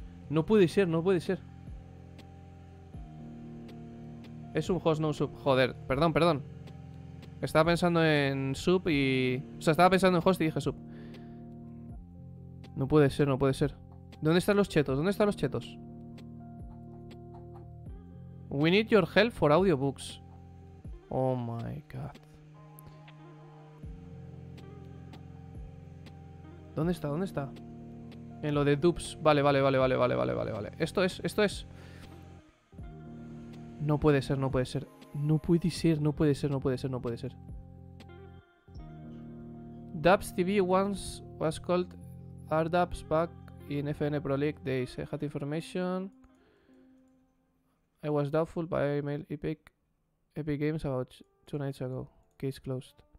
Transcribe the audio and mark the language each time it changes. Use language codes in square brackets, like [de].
[es] No puede ser, no puede ser. Es un host, no un sub. Joder, perdón, perdón. Estaba pensando en sub y. O sea, estaba pensando en host y dije sub. No puede ser, no puede ser. ¿Dónde están los chetos? ¿Dónde están los chetos? [en] We need your help for audiobooks. Oh my god. [es] ¿Dónde está? ¿Dónde está? En lo de dupes. Vale. Esto es. No puede ser, no puede ser. No puede ser, no puede ser, no puede ser, no puede ser. [en] Dubs TV once was called R-Dubs back in FN Pro League Days. Had information. I was doubtful, but I emailed Epic Games about two nights ago. Case closed.